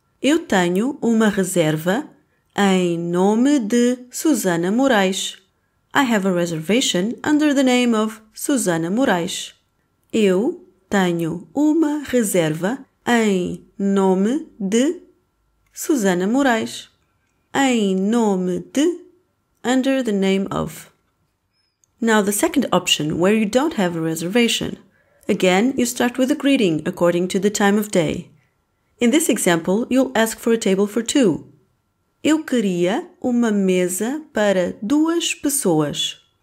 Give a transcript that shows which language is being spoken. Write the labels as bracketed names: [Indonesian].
[Portuguese] Eu tenho uma reserva em nome de Susana Moraes. [English] I have a reservation under the name of Susana Moraes. [Portuguese] Eu tenho uma reserva em nome de Susana Moraes. Em nome de, [English] under the name of. Now the second option, where you don't have a reservation. Again, you start with a greeting according to the time of day. In this example, you'll ask for a table for two. [Portuguese] Eu queria uma mesa para duas pessoas.